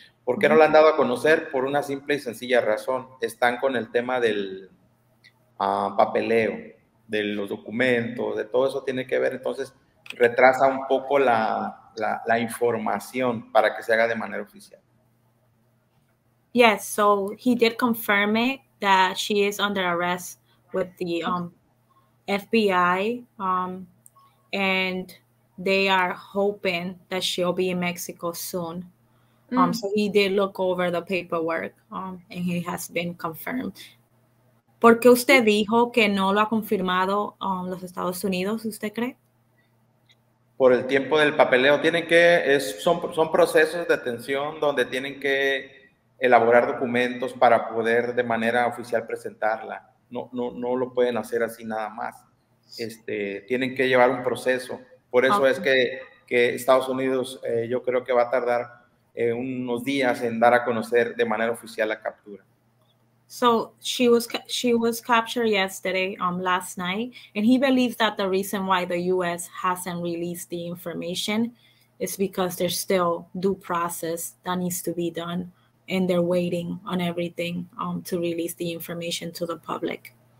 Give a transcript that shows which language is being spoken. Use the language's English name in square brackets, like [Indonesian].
[Spanish] ¿Por qué no la han dado a conocer? Por una simple y sencilla razón. Están con el tema del papeleo, de los documentos, de todo eso tiene que ver. Entonces, retrasa un poco la información para que se haga de manera oficial. [English] Yes, so he did confirm it that she is under arrest with the FBI, and they are hoping that she'll be in Mexico soon. So he did look over the paperwork, and he has been confirmed. [Spanish] ¿Por qué usted dijo que no lo ha confirmado los Estados Unidos, usted cree? Por el tiempo del papeleo, tienen que, son procesos de detención donde tienen que elaborar documentos para poder de manera oficial presentarla. No lo pueden hacer así nada más. Tienen que llevar un proceso. Por eso es que Estados Unidos, yo creo que va a tardar unos días en dar a conocer de manera oficial la captura. [English] So she was captured yesterday, last night, and he believes that the reason why the U.S. hasn't released the information is because there's still due process that needs to be done, and they're waiting on everything to release the information to the public.